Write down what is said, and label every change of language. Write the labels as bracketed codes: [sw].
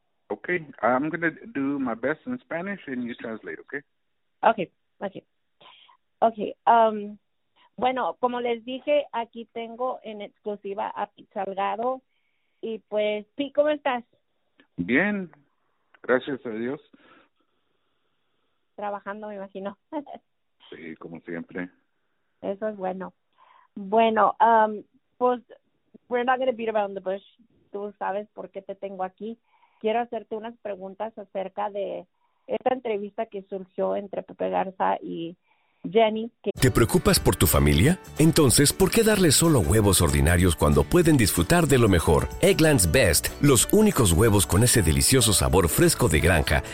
[en] Ok, I'm going to do my best in Spanish and you translate, ¿ok? Ok, ok. [es] Ok, bueno, como les dije, aquí tengo en exclusiva a Pete Salgado. Y pues, Pete, ¿cómo estás? Bien, gracias a Dios. Trabajando, me imagino. Sí, como siempre. Eso es bueno. Bueno, pues, [en] we're not going to beat around the bush. [es] Tú sabes por qué te tengo aquí. Quiero hacerte unas preguntas acerca de esta entrevista que surgió entre Pepe Garza y Jenny. ¿Te preocupas por tu familia? Entonces, ¿por qué darles solo huevos ordinarios cuando pueden disfrutar de lo mejor? Eggland's Best, los únicos huevos con ese delicioso sabor fresco de granja.